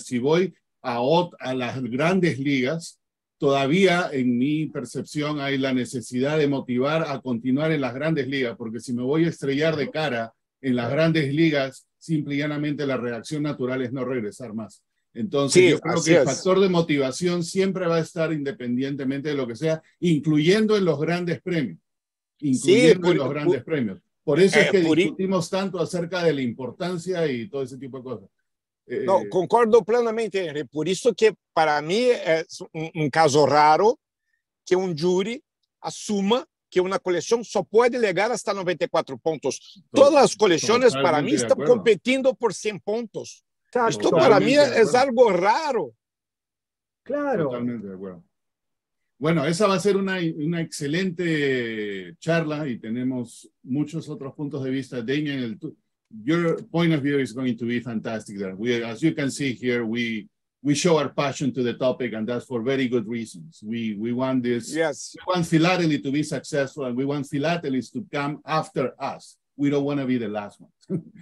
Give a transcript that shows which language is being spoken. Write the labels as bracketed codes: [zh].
[es] Si voy a las grandes ligas, todavía en mi percepción hay la necesidad de motivar a continuar en las grandes ligas, porque si me voy a estrellar de cara en las grandes ligas, simple y llanamente la reacción natural es no regresar más. Entonces sí, yo creo que es. El factor de motivación siempre va a estar independientemente de lo que sea, incluyendo en los grandes premios. incluyendo sí, los grandes premios. Por eso es que discutimos tanto acerca de la importancia y todo ese tipo de cosas. [pt] No, concordo plenamente, Henry. Por isso que para mim é um caso raro que um júri assuma que uma coleção só pode legar até 94 pontos. Todas as coleções para mim estão competindo por 100 pontos. Claro. Isto para mim é algo raro. Claro. Totalmente de acordo. [es] Bueno, [pt] essa vai ser uma excelente charla e temos muitos outros pontos de vista. [en] Damian, your point of view is going to be fantastic there. We, as you can see here, we show our passion to the topic, and that's for very good reasons. We want this, yes, we want Philately to be successful, and we want Philatelists to come after us. We don't want to be the last ones.